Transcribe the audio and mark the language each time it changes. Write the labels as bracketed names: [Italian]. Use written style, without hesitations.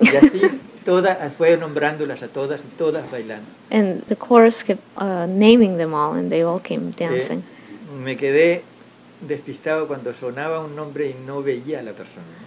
[Spanish] Y así todas fue nombrándolas a todas y todas bailando. [English] And the chorus kept naming them all, and they all came dancing. [Spanish] Me quedé despistado cuando sonaba un nombre y no veía a la persona.